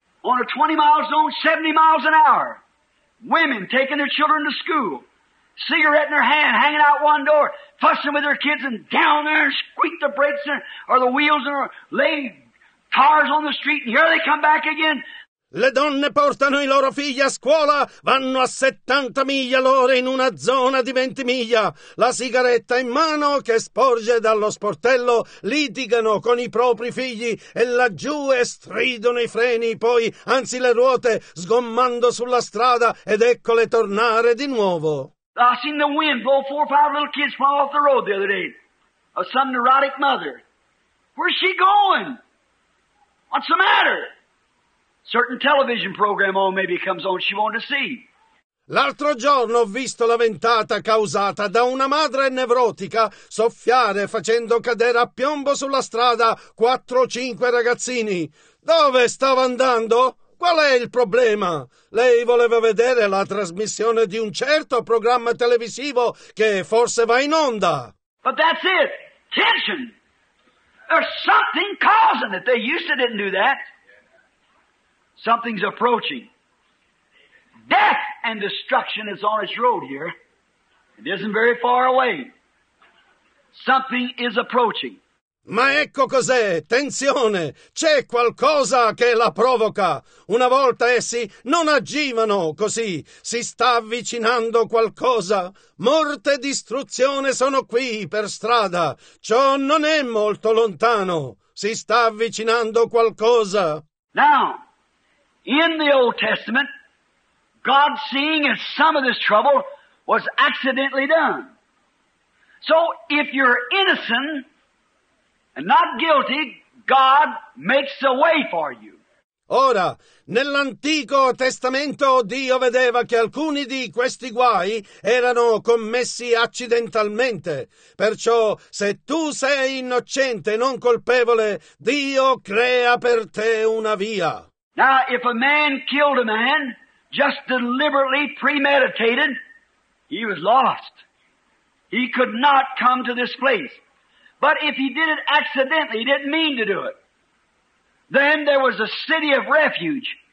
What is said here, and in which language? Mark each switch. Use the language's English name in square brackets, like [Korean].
[English] On a 20 mile zone, 70 miles an hour, women taking their children to school, cigarette in their hand, hanging out one door, fussing with their kids and down there and squeak the brakes or the wheels or lay cars on the street and here they come back again. [Italian] Le donne portano i loro figli a scuola, vanno a 70 miglia l'ora in una zona di 20 miglia. La sigaretta in mano che sporge dallo sportello, litigano con i propri figli e laggiù stridono i freni, poi anzi le ruote, sgommando sulla strada ed eccole tornare di nuovo. [English] I seen the wind blow four or five little kids fall off the road the other day. Of some neurotic mother. Where's she going? What's the matter? Certain television program on maybe comes on she wanted to see. [Italian] L'altro giorno ho visto la ventata causata da una madre nevrotica soffiare facendo cadere a piombo sulla strada 4 o 5 ragazzini. Dove stava andando? Qual è il problema? Lei voleva vedere la trasmissione di un certo programma televisivo che forse va in onda. [English] But that's it. Tension. There's something causing it. They used to didn't do that. Something's approaching. Death and destruction is on its road here. It isn't very far away. Something is approaching. [Italian] Ma ecco cos'è, tensione, c'è qualcosa che la provoca. Una volta essi non agivano così, si sta avvicinando qualcosa. Morte e distruzione sono qui per strada, ciò non è molto lontano. Si sta avvicinando qualcosa. [English] Now, in the Old Testament, God seeing that some of this trouble was accidentally done. So if you're innocent and not guilty, God makes a way for you. [Italian] Ora, nell'Antico Testamento Dio vedeva che alcuni di questi guai erano commessi accidentalmente. Perciò, se tu sei innocente e non colpevole, Dio crea per te una via. [English] Now, if a man killed a man, just deliberately premeditated, he was lost. He could not come to this place. But if he did it accidentally, he didn't mean to do it, then there was a city of refuge.